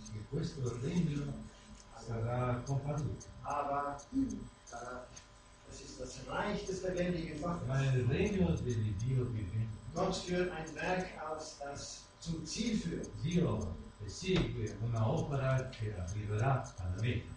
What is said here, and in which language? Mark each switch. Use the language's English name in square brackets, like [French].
[Italian] E questo regno sarà comparuto. [German] Aber es ist das Reich des lebendigen Gottes. [Italian] Ma il regno del Dio vivente. [German] Gott führt ein Werk aus, das zum Ziel führt. [Italian] Dio segue una opera che arriverà alla meta.